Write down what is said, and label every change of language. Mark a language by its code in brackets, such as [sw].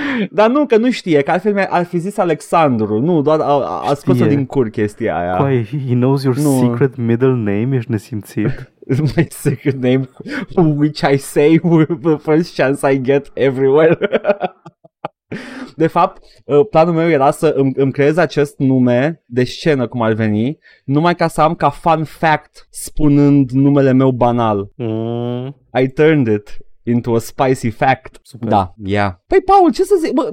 [ro] Dar nu, că nu știe, că altfel ar fi zis Alexandru. Nu, doar a scos-o din cur chestia aia. Păi, [en] he knows your secret middle name, [ro] ești nesimțit. [en] My secret name, which I say the first chance I get everywhere. [ro] De fapt, planul meu era să îmi creez acest nume de scenă, cum ar veni, numai ca să am ca fun fact spunând numele meu banal. [en] I turned it into a spicy fact. [ro] Super. Da, [en] yeah. [ro] Păi, Paul, ce să zic?